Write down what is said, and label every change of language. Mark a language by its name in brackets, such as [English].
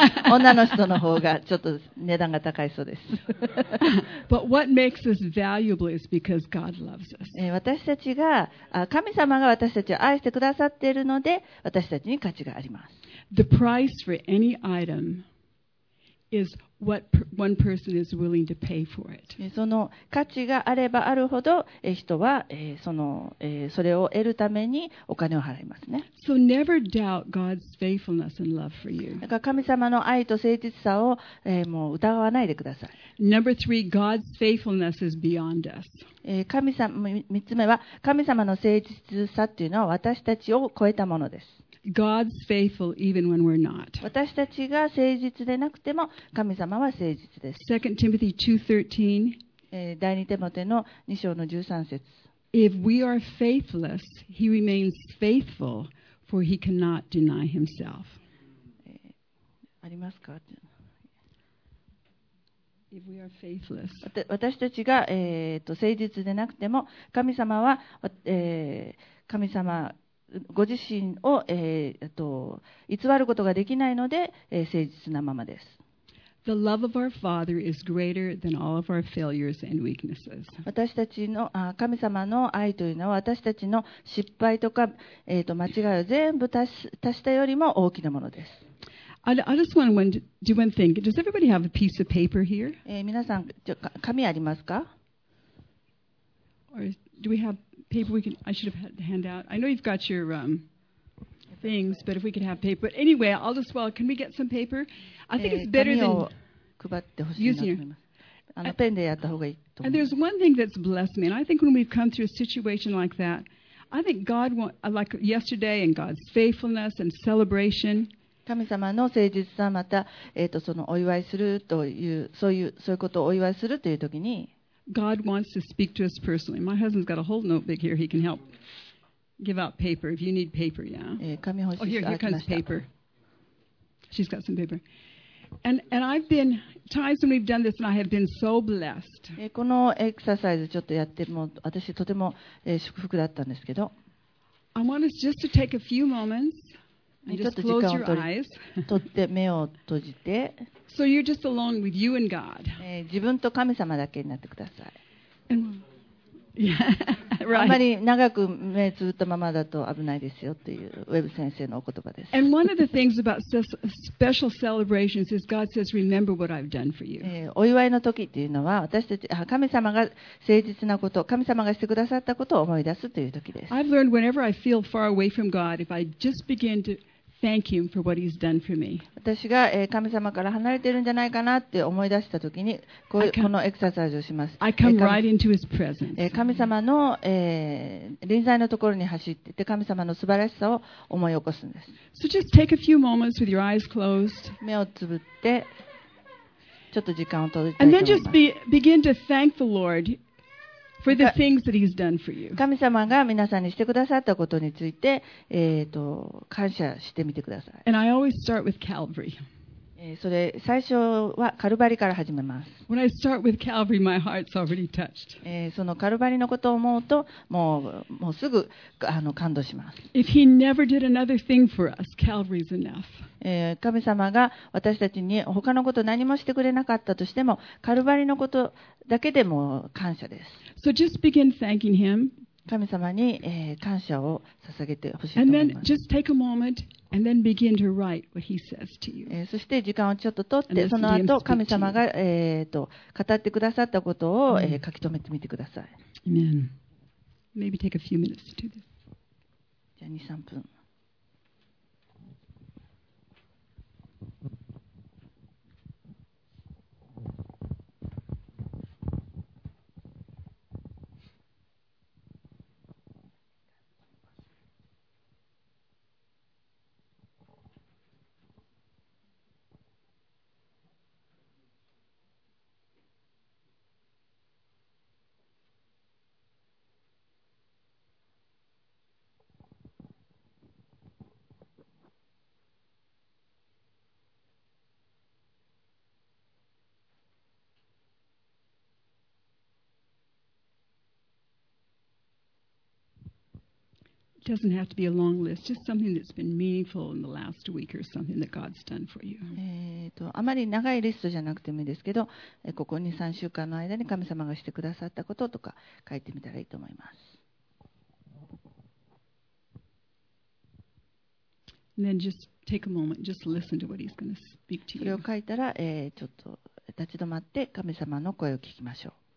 [Japanese] 女の人の方がちょっと値段が高いそうです。 [English] But what makes us valuable is because God loves us. [Japanese] 私たちが神様が私たちを愛してくださっているので私たちに価値があります。 [English] The price for any item is what one person is willing to pay for it. [Japanese] その価値があればあるほど人はそれを得るためにお金を払いますね。 [English] So never doubt God's faithfulness and love for you. [Japanese] だから神様の愛と誠実さをもう疑わないでください。 [English] Number three, God's faithfulness is beyond us. [Japanese] 三つ目は神様の誠実さというのは私たちを超えたものです。 [English] God's faithful even when we're not. [Japanese] 私たちが誠実でなくても神様は誠実です。 [English] 2 Timothy 2:13 [Japanese] 第二テモテの2章の13節。 [English] If we are faithless, he remains faithful, for he cannot deny himself. [Japanese] ありますか？ [English] If we are faithless. [Japanese] 私たちが、誠実でなくても神様は、神様ご自身を、偽ることができないので、誠実なままです。 [English] The love of our Father is greater than all of our failures and weaknesses. [Japanese] 私たちの神様の愛というのは私たちの失敗とか、間違いを全部足したよりも大きなものです。 [English] I just want to do one thing. Does everybody have a piece of paper here? [Japanese] 皆さん、紙ありますか？ [English] Or do we have... Paper we can, I should have had to hand out. I know you've got your things, but if we could have paper. But anyway, I'll just, well, can we get some paper? I think it's better than using your pen. And there's one thing that's blessed me, and I think when we've come through a situation like that, I think God, like yesterday, and God's faithfulness and celebration. [Japanese] 神様の誠実さ、また、そのお祝いするという、そういうことをお祝いするという時に、 [English] God wants to speak to us personally. My husband's got a whole notebook here. He can help give out paper if you need paper. Yeah. Here comes paper. She's got some paper. And I've been times when we've done this, and I have been so blessed. [Japanese] このエクササイズちょっとやっても私とても祝福だったんですけど。 [English] I want us just to take a few moments and just close your eyes. [Japanese] 取って目を閉じて。 [English] So you're just alone with you and God. [Japanese] 自分と神様だけになってください。 [English] Yeah, right. [Japanese] あんまり長く目つぶったままだと危ないですよというウェブ先生のお言葉です。 [English] And one of the things about special celebrations is God says, "Remember what I've done for you." [Japanese] お祝いの時というのは私たち神様が誠実なこと、神様がしてくださったことを思い出すという時です。 [English] I've learned whenever I feel far away from God, if I just begin to Thank him for what he's done for me. [Japanese] 私が神様から離れてるんじゃないかなって思い出したときにこのエクササイズをします。 [English] I come right into his presence. [Japanese] 神様の臨在のところに走っていて神様の素晴らしさを思い起こすんです。 [English] So just take a few moments with your eyes closed. [Japanese] 目をつぶってちょっと時間を取りたいと思います [English] And then just begin to thank the Lord for the things that he's done for you. [Japanese] 神様が皆さんにしてくださったことについて、感謝してみてください。 [English] And I always start with Calvary. [Japanese] それ最初はカルバリから始めます。 [English] When I start with Calvary, my heart's already touched. [Japanese] そのカルバリのことを思うと、もうすぐ感動します。 [English] If he never did another thing for us, Calvary's enough. [Japanese] 神様が私たちに他のこと何もしてくれなかったとしても、カルバリのことだけでも感謝です。 [English] So just begin thanking him. [Japanese] 神様に感謝を捧げてほしいと思います。 [English] And then just take a moment. And then begin to write what he says to you. [Japanese] そして時間をちょっと取って、その後神様が語ってくださったことを書き留めてみてください。 [English] Amen. Maybe take a few minutes to do this. [Japanese] じゃあ2、3分。 [English] doesn't have to be a long list, just something that's been meaningful in the last week or something that God's done for you. [Japanese] あまり長いリストじゃなくてもいいですけど、ここ2、3週間の間に神様がしてくださったこととか書いてみたらいいと思います。 [English] And then just take a moment, just listen to what he's going to speak to you. [Japanese] それを書いたら、ちょっと立ち止まって神様の声を聞きましょう。